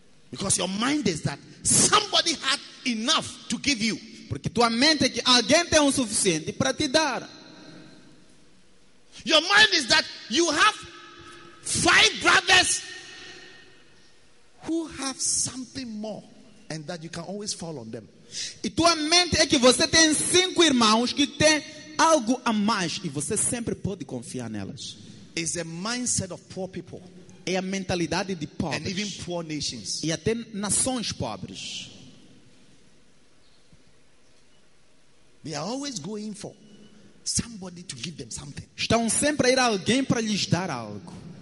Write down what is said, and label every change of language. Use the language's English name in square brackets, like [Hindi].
[English] Because your mind is that somebody had enough to give you. [Portuguese] Porque tua mente é que alguém tem o suficiente para te dar. [English] Your mind is that you have five brothers who have something more and that you can always fall on them. [Portuguese] E tua mente é que você tem cinco irmãos que têm algo a mais e você sempre pode confiar nelas. [English] It's a mindset of poor people. [Portuguese] É a mentalidade de pobres. [English] And even poor nations. [Portuguese] E até nações pobres. [English] They are always going for somebody to give them something. [Portuguese] Estão sempre a ir a alguém para lhes dar algo.